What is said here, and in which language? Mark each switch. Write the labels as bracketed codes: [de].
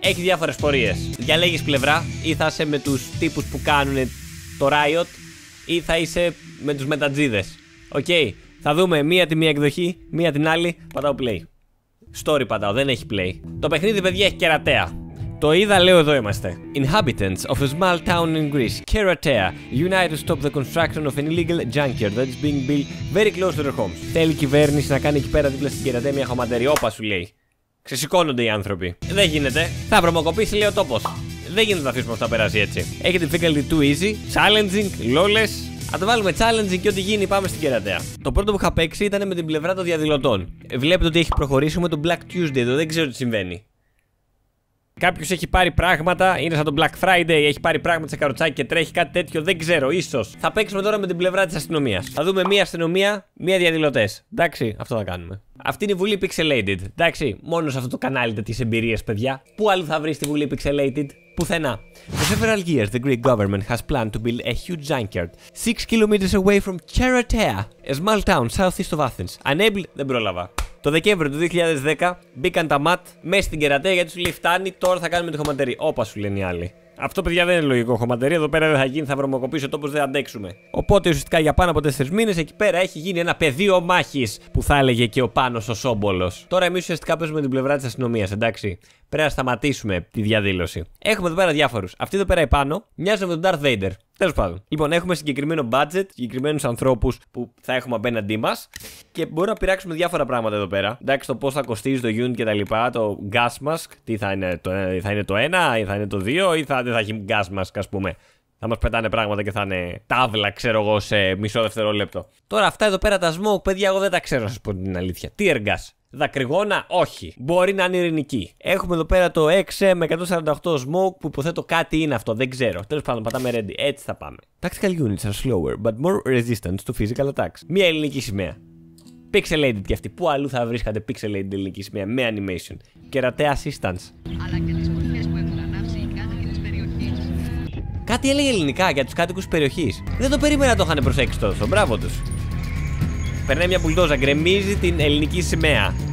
[el] Έχει διάφορες πορείες. Διαλέγεις πλευρά ή θα είσαι με τους τύπους που κάνουν το Riot ή θα είσαι με τους μετατζίδες. Okay. Θα δούμε μία τη μία εκδοχή, μία την άλλη. Πατάω play. Story πατάω, δεν έχει play. Το παιχνίδι παιδιά έχει κερατέα. Το είδα, λέω εδώ είμαστε. [en] Inhabitants of a small town in Greece, Keratea, unite to stop the construction of an illegal junkyard that is being built very close to their homes. [el] Θέλει η κυβέρνηση να κάνει εκεί πέρα δίπλα στην Κερατέα μια χωματερή. Όπα σου λέει. Ξεσηκώνονται οι άνθρωποι. Δεν γίνεται. Θα βρωμοκοπήσει, λέει ο τόπος. Δεν γίνεται να αφήσουμε αυτό να περάσει έτσι. Έχει difficulty [en] too easy, challenging, lawless. [el] Αν το βάλουμε challenging και ό,τι γίνει, πάμε στην Κερατέα. Το πρώτο που είχα παίξει ήταν με την πλευρά των διαδηλωτών. Βλέπετε ότι έχει προχωρήσει με τον Black Tuesday εδώ, δεν ξέρω τι συμβαίνει. Κάποιος έχει πάρει πράγματα, είναι σαν τον Black Friday, έχει πάρει πράγματα σε καροτσάκι και τρέχει κάτι τέτοιο, δεν ξέρω, ίσως. Θα παίξουμε τώρα με την πλευρά της αστυνομίας. Θα δούμε μία αστυνομία, μία διαδηλωτές. Εντάξει, αυτό θα κάνουμε. Αυτή είναι η Βουλή Pixelated. Εντάξει, μόνο σε αυτό το κανάλι τέτοιες εμπειρίες, παιδιά. Πού άλλο θα βρεις τη Βουλή Pixelated? Πουθενά. [en] For several years, the Greek government has planned to build a huge junkyard 6 kilometers away from Keratea, a small town southeast of Athens. [el] Unable, δεν πρόλαβα. Το Δεκέμβριο του 2010 μπήκαν τα ΜΑΤ μέσα στην Κερατέα γιατί σου λέει φτάνει, τώρα θα κάνουμε τη χωματερή. Όπα σου λένε οι άλλοι. Αυτό παιδιά δεν είναι λογικό, χωματερή. Εδώ πέρα δεν θα γίνει, θα βρωμοκοπήσει ο τόπος, δεν αντέξουμε. Οπότε ουσιαστικά για πάνω από 4 μήνες εκεί πέρα έχει γίνει ένα πεδίο μάχης που θα έλεγε και ο Πάνος ο Σόμπολος. Τώρα εμείς ουσιαστικά παίζουμε την πλευρά της αστυνομίας, εντάξει. Πρέπει να σταματήσουμε τη διαδήλωση. Έχουμε εδώ πέρα διάφορους. Αυτή εδώ πέρα επάνω μοιάζουν με τον Darth Vader. Τέλος πάντων. Λοιπόν, έχουμε συγκεκριμένο budget, συγκεκριμένους ανθρώπους που θα έχουμε απέναντί μας και μπορούμε να πειράξουμε διάφορα πράγματα εδώ πέρα. Εντάξει, το πώς θα κοστίζει το unit και τα λοιπά, το gas mask, τι θα είναι το 1 ή θα είναι το 2 ή θα, δεν θα έχει gas mask, ας πούμε. Θα μας πετάνε πράγματα και θα είναι τάβλα, ξέρω εγώ, σε μισό δευτερόλεπτο. Τώρα αυτά εδώ πέρα τα smoke, παιδιά, εγώ δεν τα ξέρω, να σας πω την αλήθεια. Tear gas. Δακρυγόνα, όχι. Μπορεί να είναι ειρηνική. Έχουμε εδώ πέρα το XM148 smoke που υποθέτω κάτι είναι αυτό, δεν ξέρω. Τέλος πάντων, πατάμε ready. Έτσι θα πάμε. [en] Tactical units are slower but more resistant to physical attacks. [el] Μία ελληνική σημαία. Pixelated κι αυτή. Πού αλλού θα βρίσκατε pixelated ελληνική σημαία με animation? Κερατέα assistance. Αλλά και τις φωτιές που έχουν ανάψει οι κάτοικοι της περιοχής. Κάτι έλεγε ελληνικά για τους κάτοικους της περιοχής. Δεν το περίμενα να το είχαν προσέξει τόσο. Μπράβο τους. Περνάει μια μπουλντόζα, γκρεμίζει την ελληνική σημαία.